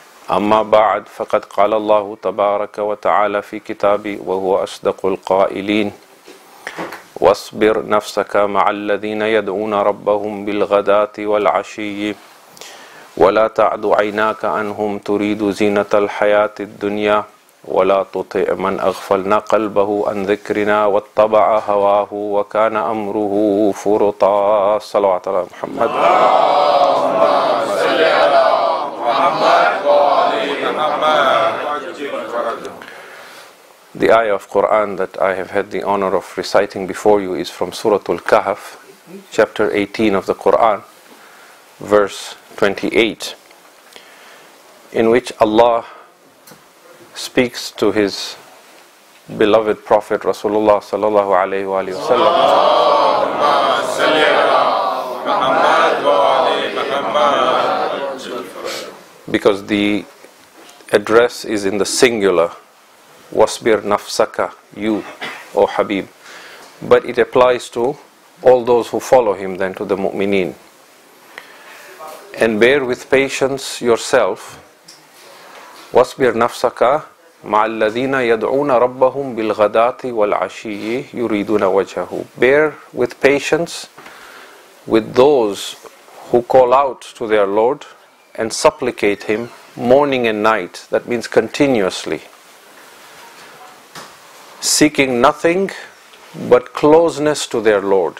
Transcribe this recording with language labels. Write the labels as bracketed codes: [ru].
[ar] أما بعد، فقد قال الله تبارك وتعالى في كتابه وهو أصدق القائلين: واصبر نفسك مع الذين يدعون ربهم بالغداة والعشي ولا تعد عيناك عنهم تريد زينة الحياة الدنيا ولا تطع من أغفلنا قلبه عن ذكرنا واتبع هواه وكان أمره فرطا. صلى الله على محمد. اللهم صل على محمد وعلى محمد. [en] The ayah of Quran that I have had the honor of reciting before you is from Surah Al-Kahf, chapter 18 of the Quran, verse 28, in which Allah speaks to his beloved Prophet Rasulullah sallallahu alayhi wa sallam. [ar] Allahumma salli ala Muhammad wa ali Muhammad. [en] Because the address is in the singular, [ar] wasbir nafsaka, [en] you, O Habib. But it applies to all those who follow him, then to the mu'mineen. And bear with patience yourself, [ar] wasbir nafsaka, مَعَ الَّذِينَ يَدْعُونَ رَبَّهُمْ بِالْغَدَاتِ وَالْعَشِيِّ يُرِيدُونَ وَجْهَهُ. [en] Bear with patience with those who call out to their Lord and supplicate Him morning and night. That means continuously. Seeking nothing but closeness to their Lord.